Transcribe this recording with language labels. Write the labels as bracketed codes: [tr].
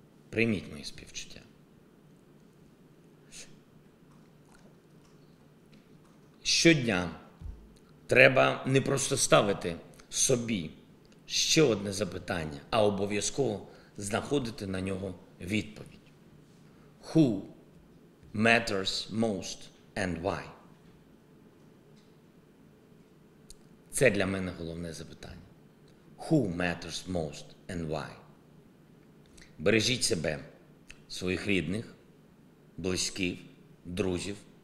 [uk] Прийміть мої співчуття. Щодня треба не просто ставити собі ще одне запитання, а обов'язково знаходити на нього відповідь. [en] Who matters most and why? [uk] Це для мене головне запитання. [en] Who matters most and why? [uk] Бережіть себе, своїх рідних, близьків, друзів.